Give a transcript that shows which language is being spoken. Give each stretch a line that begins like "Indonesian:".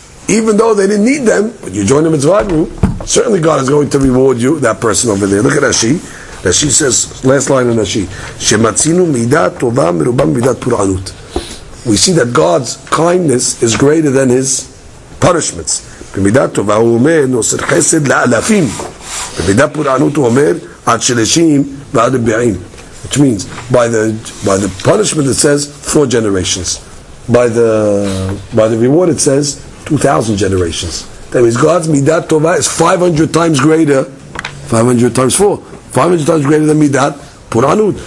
English: Even though they didn't need them, but you join a mitzvah group, certainly God is going to reward you, that person over there. Look at Rashi.
Hebrew: Rashi says, last line in Rashi, שמצינו מידה טובה מרובה מידת פורענות.
English: We see that God's kindness is greater than his punishments.
Hebrew: במידה טובה הוא אומר, נוסר חסד לאלפים.
English: Which means by the punishment it says four generations, by the reward it says 2,000 generations. That means God's midat tova is 500 times greater, 500 times four, 500 times greater than midat puranut.